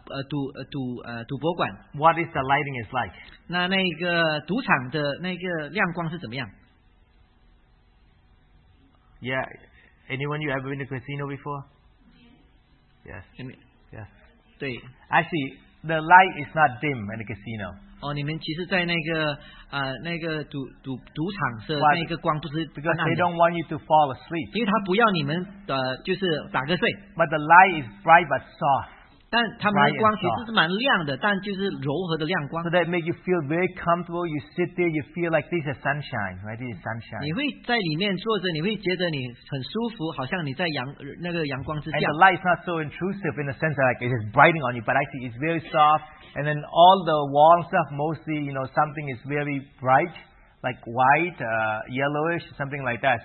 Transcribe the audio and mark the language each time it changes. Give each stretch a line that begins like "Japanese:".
Chinese: 譬如说你们去一个赌博馆,
English: what is the lighting is like?
Chinese: 那个赌场的那个亮光是怎么样?
English: Yeah, anyone you ever been to casino before? Yes. Yes.
Chinese: 对.
English: Actually, the light is not dim in the casino.
Chinese: 哦，你们其实在那个赌场是那个光不是暗暗的。
English: Because they don't want you to fall asleep.
Chinese: 因为他不要你们就是打个睡。
English: But the light is bright but soft.
Chinese: 但他们的光其实是蛮亮的, 但就是柔和的亮光。
English: So that make you feel very comfortable. You sit there, you feel like this is sunshine, right? This is sunshine.
Chinese: 你会在里面坐着, 你会觉得你很舒服, 好像你在阳, 那个阳光之下。
English: And the light is not so intrusive in the sense that like it is brightening on you, but actually it's very soft. And then all the wall stuff, mostly, you know, something is very bright, like white, yellowish, something like that.